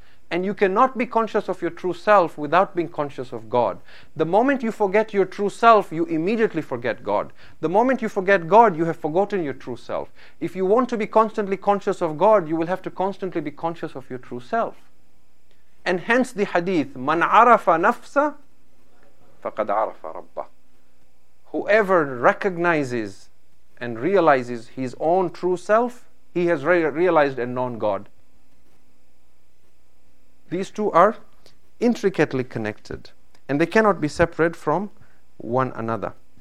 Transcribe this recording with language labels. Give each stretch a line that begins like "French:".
English: And you cannot be conscious of your true self without being conscious of God. The moment you forget your true self, you immediately forget God. The moment you forget God, you have forgotten your true self. If you want to be constantly conscious of God, you will have to constantly be conscious of your true self. And hence the hadith,
Arabic: مَنْ عَرَفَ نَفْسَ فَقَدْ عَرَفَ رَبَّهُ.
English: Whoever recognizes and realizes his own true self, he has realized and known God. These two are intricately connected and they cannot be separate from one another.